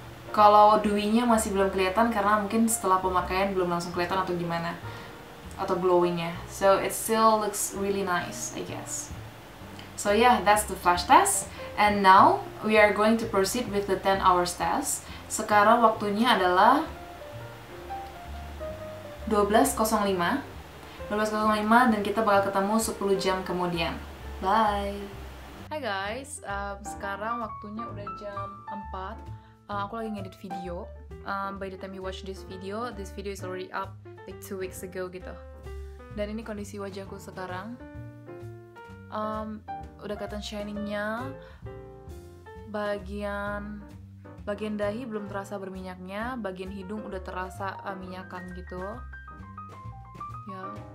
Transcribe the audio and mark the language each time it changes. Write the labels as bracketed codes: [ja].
[id] Kalau dewy-nya masih belum kelihatan karena mungkin setelah pemakaian belum langsung kelihatan atau gimana, atau glowing-nya. [en] So it still looks really nice, I guess. So yeah, that's the flash test. And now we are going to proceed with the 10 hours test. [id] Sekarang waktunya adalah 12.05. 12.05 dan kita bakal ketemu 10 jam kemudian. Bye. Hi guys, sekarang waktunya udah jam 4. Aku lagi ngedit video. [en] By the time you watch this video is already up like 2 weeks ago gitu. [id] Dan ini kondisi wajahku sekarang. Udah kelihatan shiningnya. Bagian dahi belum terasa berminyaknya. Bagian hidung udah terasa minyakan gitu. Ya. Yeah.